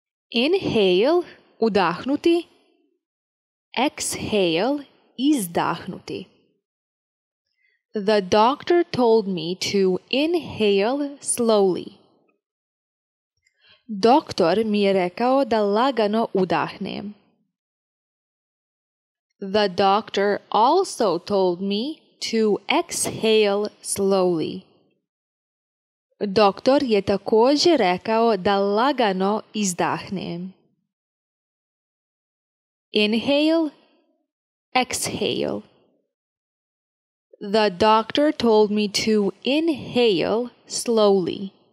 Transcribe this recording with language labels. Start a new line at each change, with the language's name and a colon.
English: Inhale, udahnuti. Exhale, izdahnuti. The doctor told me to inhale slowly.
Bosnian: Doktor mi je rekao da lagano udahnem.
English: The doctor also told me to exhale slowly.
Bosnian: Doktor je također rekao da lagano izdahnem.
English: Inhale, exhale. The doctor told me to inhale slowly.